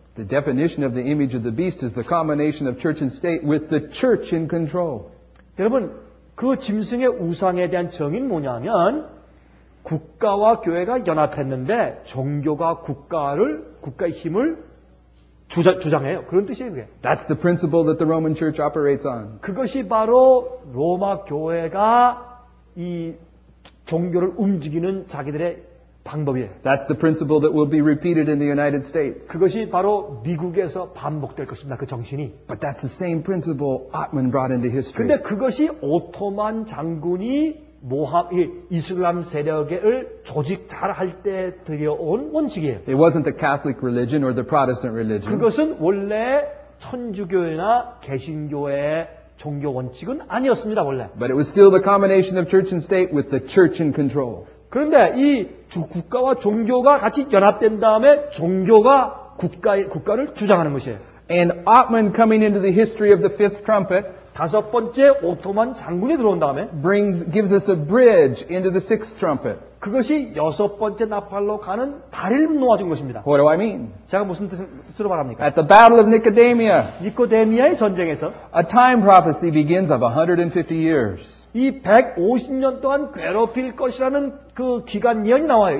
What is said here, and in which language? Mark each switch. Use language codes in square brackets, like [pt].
[en] The definition of the image of the beast is the combination of church and state with the church in control. [ko] 여러분, 그 짐승의 우상에 대한 정의는 뭐냐면 국가와 교회가 연합했는데 종교가 국가의 힘을 주장해요. 그런 뜻이에요, 그게. [en] That's the principle that the Roman church operates on. [ko] 그것이 바로 로마 교회가 이 종교를 움직이는 자기들의 방법이에요. [en] That's the principle that will be repeated in the United States. [ko] 그것이 바로 미국에서 반복될 것입니다. 그 정신이. [en] But that's the same principle Ottoman brought into history. [ko] 근데 그것이 오토만 장군이 이슬람 세력을 조직 잘할 때 들여온 원칙이에요. [en] It wasn't the Catholic religion or the Protestant religion. [ko] 그것은 원래 천주교회나 개신교회의 종교 원칙은 아니었습니다, 원래. [en] But it was still the combination of church and state with the church in control. [ko] 그런데 이 국가와 종교가 같이 연합된 다음에 종교가 국가를 주장하는 것이에요. [en] And Ottoman coming into the history of the fifth trumpet. [ko] 다섯 번째 오토만 장군이 들어온 다음에 [en] brings gives us a bridge into the sixth trumpet. [ko] 그것이 여섯 번째 나팔로 가는 다리를 놓아 준 것입니다. [en] What do I mean? [ko] 제가 무슨 뜻으로 말합니까? [en] At the Battle of Nicodemia. [ko] 니코데미아의 전쟁에서 [en] a time prophecy begins of 150 years. [ko] 이 150년 동안 괴롭힐 것이라는 그 기간 예언이 나와요.